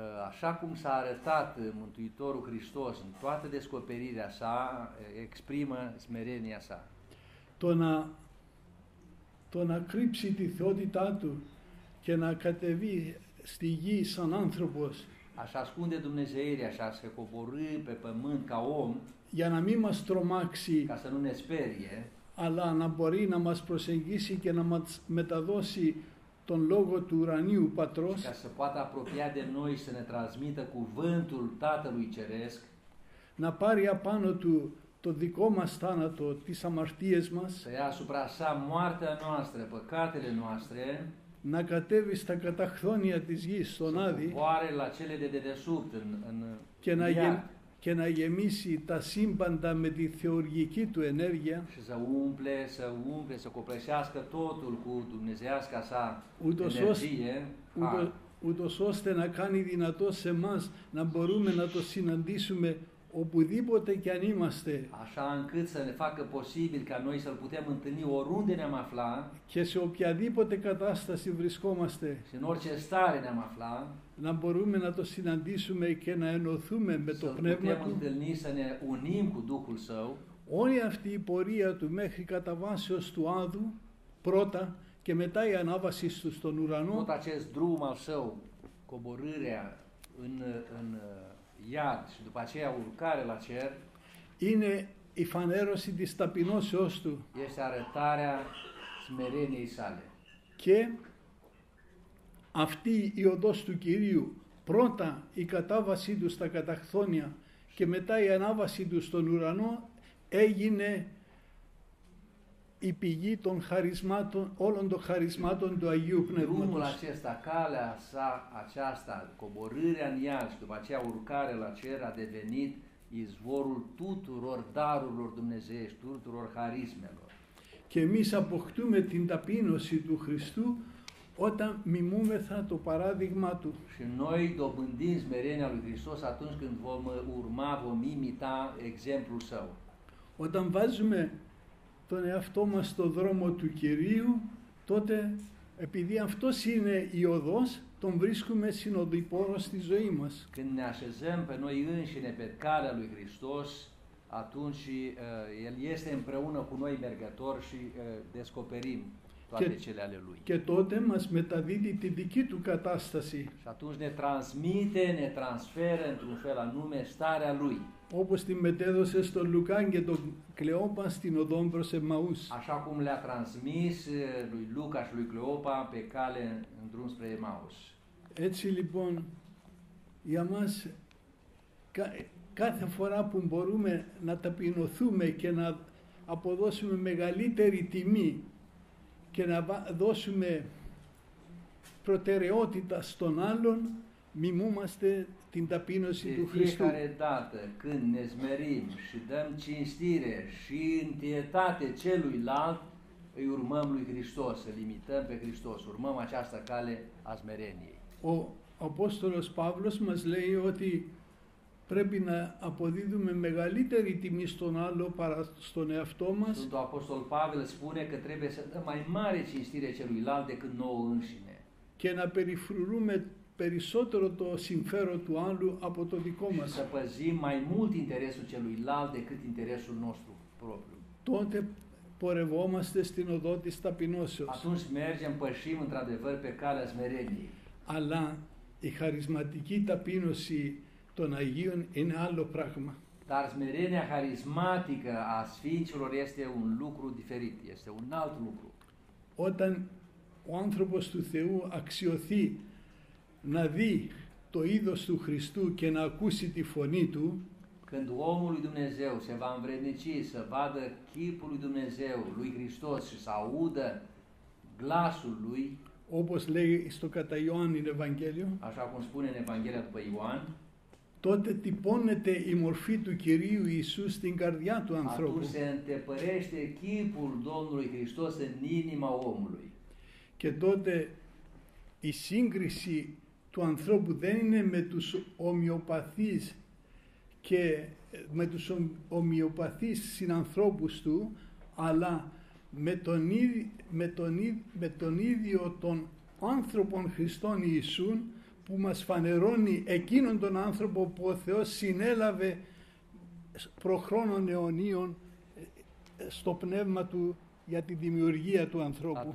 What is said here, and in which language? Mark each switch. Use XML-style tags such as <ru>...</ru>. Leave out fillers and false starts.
<ro>Așa cum s-a arătat Mântuitorul Hristos în toată descoperirea sa, exprimă smerenia sa.</ro> <el>Το να κρύψει τη θεότητά του και να κατεβεί στη γη σαν άνθρωπος,</el> <ro>ας ασκούνται δουνεζεύρια, ας εκοπορεί πε πεμάν καόμ,</ro> <el>για να μην μας τρομάξει,</el> <ro>ας ανούν εσπέριε,</ro> <el>αλλά να μπορεί να μας προσεγγίσει και να μας μεταδώσει τον λόγο του ουρανίου πατρός,</el> <ro>ca să poată apropia de noi să ne transmită cuvântul Tatălui Ceresc,</ro> <el>να πάρει απάνω του το δικό μας θάνατο, τις αμαρτίες μας,</el> <ro>să ia asupra sa moartea noastră, păcatele noastre,</ro> <el>να κατέβει στα καταχθόνια της γης, στον Άδη,</el> <ro>să poare la cele de dedesubt,</ro> <el>και και να γεμίσει τα σύμπαντα με τη θεοργική του ενέργεια.</el> <ro>Și să umple, să umple, să copleșească totul cu dumnezeiasca sa energie.</ro> <el>Ούτως ώστε να κάνει δυνατό σε εμάς να μπορούμε να το συναντήσουμε οπουδήποτε κι αν είμαστε.</el> <ro>Așa încât să ne facă posibil ca noi să-l putem întâlni oriunde ne-am afla.</ro> <el>Και σε οποιαδήποτε κατάσταση βρισκόμαστε. Σε όποια στάση</el> <ro>ne-am afla.</ro> <el>Να μπορούμε να το συναντήσουμε και να ενωθούμε με το πνεύμα του.</el> <ro>Să putem întâlni, să ne unim cu Duhul Său.</ro> <el>Όλη αυτή η πορεία του μέχρι κατά βάσεως του Άδου, πρώτα, και μετά η ανάβαση του στον ουρανό.</el> <ro>Tot acest drum al său, coborârea în iad și după aceea urcare la cer,</ro> <el>είναι η φανέρωση της ταπεινώσεώς του.</el> <ro>Este arătarea smereniei sale.</ro> <el>Και αυτή η οδός του Κυρίου, πρώτα η κατάβασή του στα καταχθόνια και μετά η ανάβαση του στον ουρανό, έγινε η πηγή των χαρισμάτων, όλων των χαρισμάτων του Αγίου Πνεύματος.</el> <ro>Drumul acesta, calea sa aceasta, coborârea în iad și după aceea urcare la cer a devenit izvorul tuturor darurilor dumnezeiești, tuturor harismelor.</ro> <el>Και εμείς αποκτούμε την ταπείνωση του Χριστού όταν μιμούμεθα το παράδειγμα του.</el> <ro>Și noi dobândim smerenia lui Hristos atunci când vom urma, vom imita exemplul său.</ro> <el>Όταν βάζουμε τον εαυτό μας στον δρόμο του Κυρίου, τότε, επειδή αυτός είναι η οδός, τον βρίσκουμε συνοδοιπόρο στη ζωή μας.</el> <ro>Când ne așezăm pe noi înșine pe calea lui Hristos, atunci El este împreună cu noi mergător și descoperim toate cele ale Lui.</ro> <el>Και τότε μας μεταδίδει τη δική του κατάσταση.</el> <ro>Și atunci ne transmite, ne transferă într-un fel anume starea Lui.</ro> <el>Όπως την μετέδωσε στον Λουκάν και τον Κλεόπα στην οδό προς Εμμαούς.</el> <ro>Așa cum le-a transmis lui Luca și lui Cleopa pe cale în drum spre Emmaus.</ro> <el>Έτσι λοιπόν, για μας, κάθε φορά που μπορούμε να ταπεινωθούμε και να αποδώσουμε μεγαλύτερη τιμή και να δώσουμε προτεραιότητα στον άλλον, μιμούμαστε την ταπείνωση του Χριστού.</el> <ro>Fiecare dată când ne smerim și dăm cinstire și întâietate celuilalt, îi urmăm lui Hristos, îl imităm pe Hristos, urmăm această cale a smereniei.</ro> <el>Ο Apostolos Pavlos μας λέει ότι πρέπει να αποδίδουμε μεγαλύτερη τιμή στον άλλο παρά στον εαυτό μας.</el> <ro>Sfântul Apostol Pavel spune că trebuie să dăm mai mare cinstire celuilalt decât nouă înșine.</ro> <el>Και να περιφρουρούμε περισσότερο το συμφέρον του άλλου από το δικό μας.</el> <ro>Să păzim mai mult interesul celuilalt decât interesul nostru propriu.</ro> <el>Τότε πορευόμαστε στην οδό της ταπεινώσεως.</el> <ro>Atunci mergem, pășim într-adevăr pe calea smereniei.</ro> <el>Αλλά η χαρισματική ταπείνωση των Αγίων είναι άλλο πράγμα.</el> <ro>Dar smerenia charismatică a Sfinților este un lucru diferit, este un alt lucru.</ro> <el>Όταν ο άνθρωπος του Θεού αξιωθεί να δει το είδος του Χριστού και να ακούσει τη φωνή του,</el> <ro>când omul lui Dumnezeu se va învrednici să vadă chipul lui Dumnezeu, lui Hristos și să audă glasul lui,</ro> <el>όπως λέει στο κατά Ιωάν</el> <la>in Evangelio,</la> <ro>așa cum spune în Evanghelia după Ioan,</ro> <el>τότε τυπώνεται η μορφή του Κυρίου Ιησού στην καρδιά του ανθρώπου.</el> <ro>Atunci se întepărește chipul Domnului Hristos în inima omului.</ro> <el>Και τότε η σύγκριση του ανθρώπου δεν είναι με τους ομοιοπαθείς και με τους ομοιοπαθείς συνανθρώπους του, αλλά με τον ίδιο τον άνθρωπο Χριστόν Ιησούν, που μας φανερώνει εκείνον τον άνθρωπο που ο Θεός συνέλαβε προχρόνων αιωνίων στο πνεύμα του για τη δημιουργία του ανθρώπου.</el>